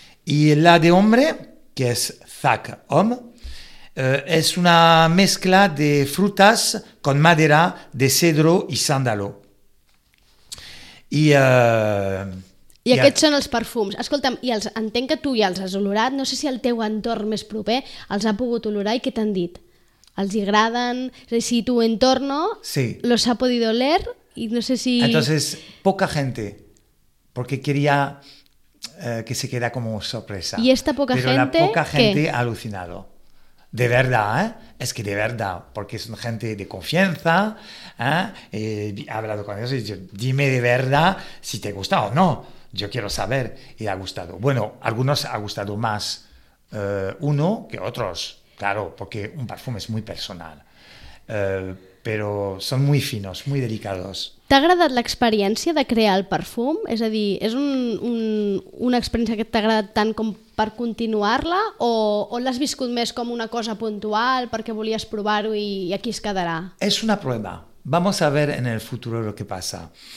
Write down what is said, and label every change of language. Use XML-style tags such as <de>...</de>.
<es>Y la de hombre, que es Zac Homme, es una mezcla de frutas con madera de cedro y sándalo.</es> <ca>I aquests són els perfums. Escolta'm, i els entenc que tu ja els has olorat. No sé si el teu entorn més proper els ha pogut olorar i què t'han dit. Els agraden?</ca> <es>Si tu entorno sí. Los ha podido oler? Y no sé si... Entonces, poca gente, porque quería que se queda como sorpresa. ¿Y esta poca Pero gente? Pero la poca gente ¿qué? Ha alucinado. De verdad, ¿eh? Es que de verdad, porque son gente de confianza, ¿eh? He hablado con ellos y yo, dime de verdad si te gusta o no, yo quiero saber y ha gustado. Bueno, algunos ha gustado más uno que otros, claro, porque un perfume es muy personal, pero son muy finos, muy delicados.</es> <ca>T'ha agradat l'experiència de crear el perfum? És a dir, és una experiència que t'ha agradat tant com per continuar-la o l'has viscut més com una cosa puntual perquè volies provar-ho i aquí es quedarà? És una prova.</ca> <es>Vamos a ver en el futuro lo que pasa.</es>